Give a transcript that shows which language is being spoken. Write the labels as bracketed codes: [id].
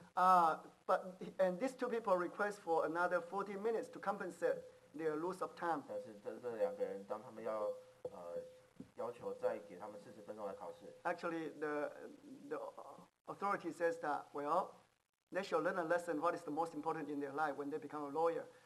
[en] And these two people request for another 40 minutes to compensate their loss of time. [zh] 但是这两个人，当他们要要求再给他们40分钟来考试。 [en] Actually, the authority says that, well, they shall learn a lesson what is the most important in their life when they become a lawyer.